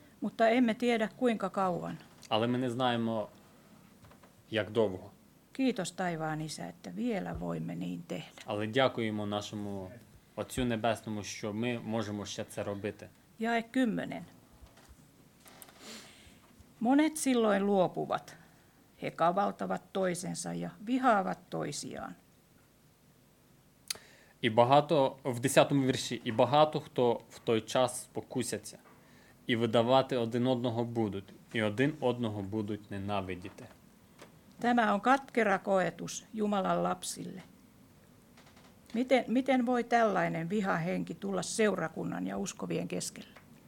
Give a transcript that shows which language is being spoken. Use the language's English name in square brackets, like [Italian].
[Finnish] Mutta emme tiedä kuinka kauan. [Ukrainian] Але ми не знаємо, як довго. [Finnish] Kiitos taivaan Isä, että vielä voimme niin tehdä. [Ukrainian] Але дякуємо нашому Отцю Небесному, що ми можемо ще це робити. [Finnish] Jae 10. Monet silloin luopuvat. He kavaltavat toisensa ja vihaavat toisiaan. [Ukrainian] І багато в 10-му вірші, і багато хто в той час покусяться і видавати один одного будуть, і один одного будуть ненавидіти. [Finnish] Tämä on katkera koetus Jumalan lapsille. Miten voi tällainen vihahenki tulla seurakunnan ja uskovien keskelle?